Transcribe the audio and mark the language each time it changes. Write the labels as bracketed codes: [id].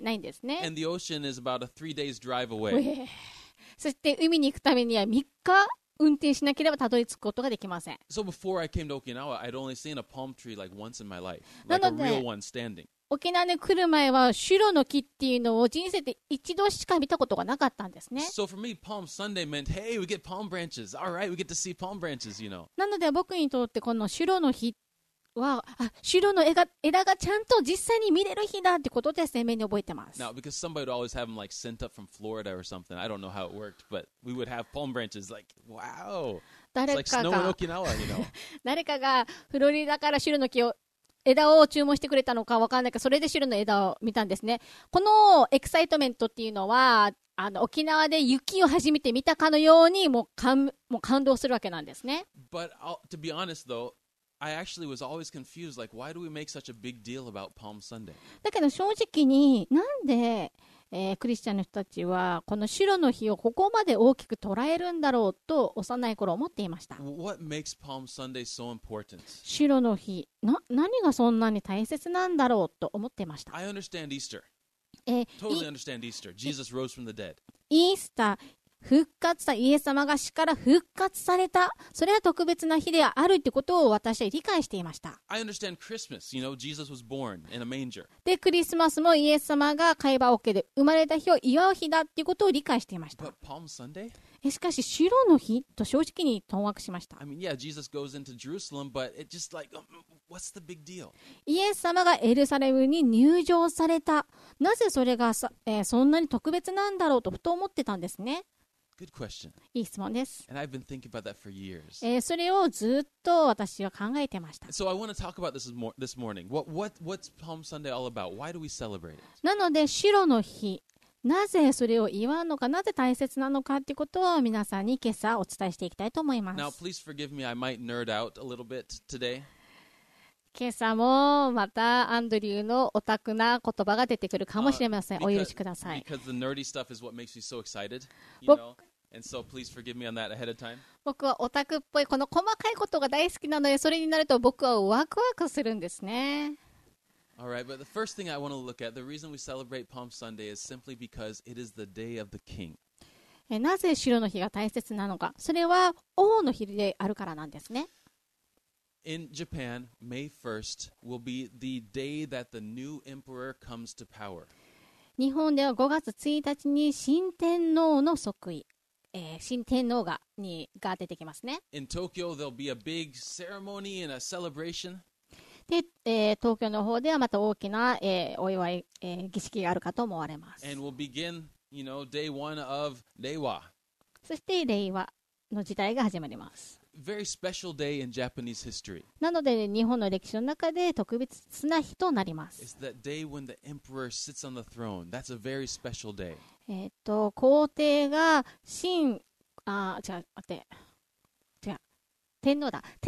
[ja] ないんですね。 [en] And the ocean is about a 3 days drive away. [ja] そして海に行くためには3日運転しなければたどり着くことができません。 [en] So before I came to Okinawa, I'd only seen a palm tree like once in my life, like a real one standing. [ja] 沖縄に来る前はシュロの木っていうのを人生で一度しか見たことがなかったんですね。 [en] So for me, Palm Sunday meant, hey, we get palm branches. All right, we get to see palm branches, you know. [ja] なので僕にとってこのシュロの日は、シュロの枝がちゃんと実際に見れる日だってことで鮮明に覚えてます。 [en] Now, because somebody would always have them like sent up from Florida or something. I don't know how it worked, but we would have palm branches like, wow. It's like snow in Okinawa, you know. [ja] 誰かがフロリダからシュロの木を枝を注文してくれたのか分からないけど、それで白の枝を見たんですね。このエキサイトメントっていうのは、あの沖縄で雪を初めて見たかのようにもう感動するわけなんですね。 [en] But to be honest though, I actually was always confused, like why do we make such a big deal about Palm Sunday? [ja] だけど正直に、なんで、クリスチャンの人たちはこの白の日をここまで大きく捉えるんだろうと幼い頃思っていました。 [en] What makes Palm Sunday so important? [ja] 白の日何がそんなに大切なんだろうと思っていました。 [en] I understand Easter. Totally understand Easter. Jesus rose from the dead. [ja] イースター、復活したイエス様が死から復活された、それは特別な日であるということを私は理解していました。 [en] I understand Christmas. You know, Jesus was born in a manger. [ja] で、クリスマスもイエス様が飼い葉桶で生まれた日を祝う日だということを理解していました。 [en] But Palm Sunday? [ja] しかし白の日と正直に困惑しました。 [en] I mean, yeah, Jesus goes into Jerusalem, but it's just like, what's the big deal? [ja] イエス様がエルサレムに入城された、なぜそれがそんなに特別なんだろうとふと思ってたんですね。 [en] Good question. [ja] いい質問です。 [en] And I've been thinking about that for years. [ja] それをずっと私は考えてました。 [en] So I want to talk about this morning. What's Palm Sunday all about? Why do we celebrate it? [ja] なので白の日、なぜそれを言わんのか、なぜ大切なのかということを皆さんに今朝お伝えしていきたいと思います。 [en] Now, please forgive me. I might nerd out a little bit today. [ja] 今朝もまたアンドリューのオタクな言葉が出てくるかもしれません。お許しください。 [en] Because the nerdy stuff is what makes me so excited, you know? And so please forgive me on that ahead of time. [ja] 僕はオタクっぽいこの細かいことが大好きなので、それになると僕はワクワクするんですね。 [en] All right, but the first thing I want to look at, the reason we celebrate Palm Sunday is simply because it is the day of the king. [ja] なぜ白の日が大切なのか、それは王の日であるからなんですね。 [en] In Japan, May 1st will be the day that the new emperor comes to power. [ja] 日本では5月1日に新天皇の即位、新天皇 が出てきますね。 [en] In Tokyo, there'll be a big ceremony and a celebration. [ja] で、東京の方ではまた大きな、お祝い、儀式があるかと思われます。 [en] And we'll begin, you know, day one of 令和。 [ja] そして令和の時代が始まります。 [en] Very special day in Japanese history. [ja] なので日本の歴史の中で特別な日となります。 [en] It's that day when the emperor sits on the throne. That's a very special day. [ja] 皇帝が新、あ、違う、待って。違う。天皇だ。